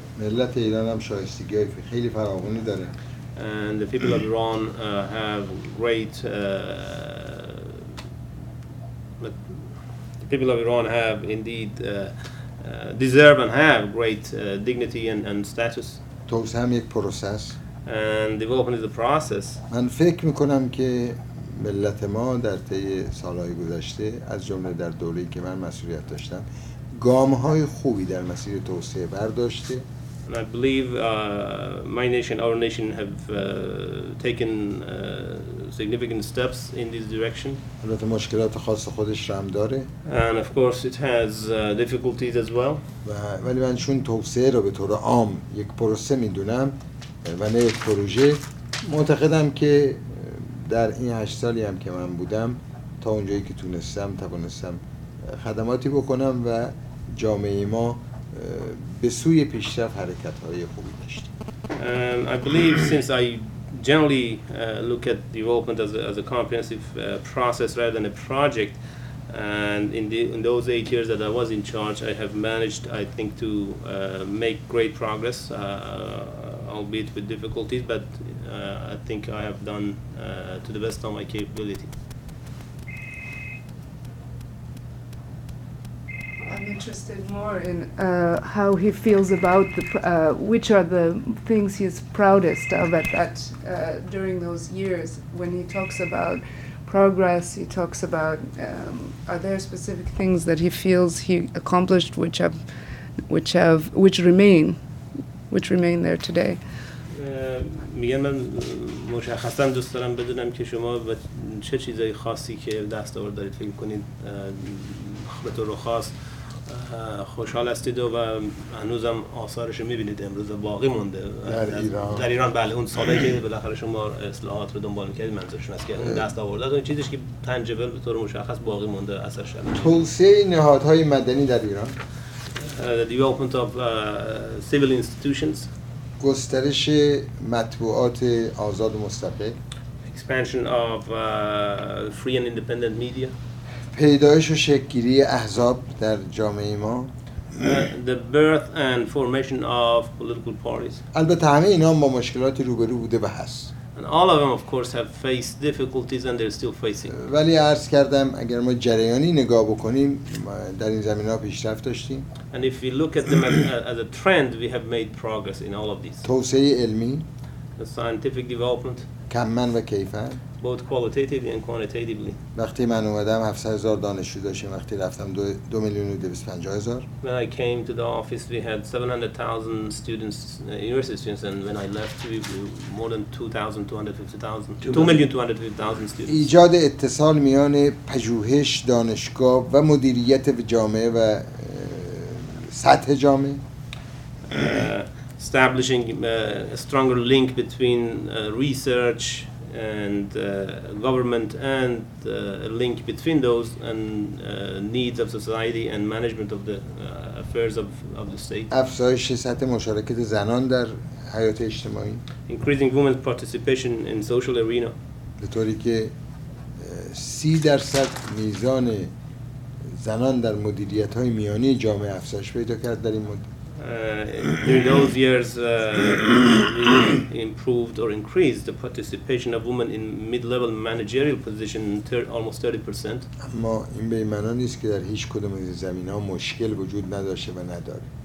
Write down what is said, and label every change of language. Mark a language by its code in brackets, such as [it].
[fa] ملت ایران هم شایستگی های خیلی فراوانی داره. [en] And the people of Iran have great. The people of Iran have indeed deserve and have great dignity and status. [fa] توسعه هم یک پروسه است. [en] And development is a process. [fa] من فکر میکنم که ملت ما در طی سالهای گذشته از جمله در دوره‌ای که من مسئولیت داشتم گام‌های خوبی در مسیر توسعه برداشته. [en] And I believe my nation, our nation have taken significant steps in this direction. [fa] البته مشکلات خاص خودش هم داره. [en] And of course it has difficulties as well. [fa] ولی من چون توسعه رو به طور عام یک پروسه میدونم و نه یک پروژه، معتقدم که در این 8 سالی هم که من بودم تا اونجایی که توانستم خدماتی بکنم و جامعه ما به سوی پیشرفت حرکت‌های خوبی داشت. [en] I believe since I generally look at development as a comprehensive process rather than a project, and in those 8 years that I was in charge, I have managed, I think, to make great progress, albeit with difficulties, but I think I have done to the best of my capability. I'm interested more in how he feels about the which are the things he's proudest of at that during those years. When he talks about progress, he talks about are there specific things that he feels he accomplished which remain there today. [fa] میگن من مشخصا دوست دارم بدونم که شما چه چیزای خاصی که دست آورد دارید فکر کنید به طور خاص خوشحال هستید و هنوزم آثارش رو میبینید امروز باقی مونده در ایران. بله اون سالی که بالاخره شما اصلاحات رو دنبال میکردید منظورشون است که اون دست آورد اون چیزیش که تنجبل به طور مشخص باقی مونده اثر شده. توسعه نهادهای مدنی در ایران، [en] the development of civil institutions. [fa] گسترش مطبوعات آزاد و مستقل. [en] Expansion of free and independent media. [fa] پیدایش و شکل‌گیری احزاب در جامعه ما. [en] The birth and formation of political parties. [fa] البته همه اینا با مشکلاتی روبرو بوده و هست. [en] And all of them of course have faced difficulties and they're still facing. [fa] ولی عرض کردم اگر ما جریانی نگاه بکنیم در این زمینه پیشرفت داشتیم. [en] And if we look at them as a trend, we have made progress in all of these. [fa] توسعه علمی. [en] The scientific development. [fa] کمن و کیفر. [en] Both qualitatively and quantitatively. [fa] وقتی من اومدم 700,000 دانشجو داشتیم، وقتی رفتم 2,250,000. [en] When I came to the office we had 700,000 students, university students, and when I left we were more than 2,250,000 students. [fa] ایجاد اتصال میان پژوهش، دانشگاه و مدیریت جامعه و سطح جامعه. [en] Establishing a stronger link between research and government and link between those and needs of society and management of the affairs of the state. [fa] افزایش سطح مشارکت زنان در حیات اجتماعی. [en] Increasing women's participation in social arena. [fa] به طوری که 30% میزان زنان در مدیریت های میانی جامعه افزایش پیدا کرد در این مدت. [en] In those years, we improved or increased the participation of women in mid-level managerial position almost 30%. [fa] اما این به معنی نیست که در هیچ کدوم از زمین‌ها مشکل وجود نداشته و نداره.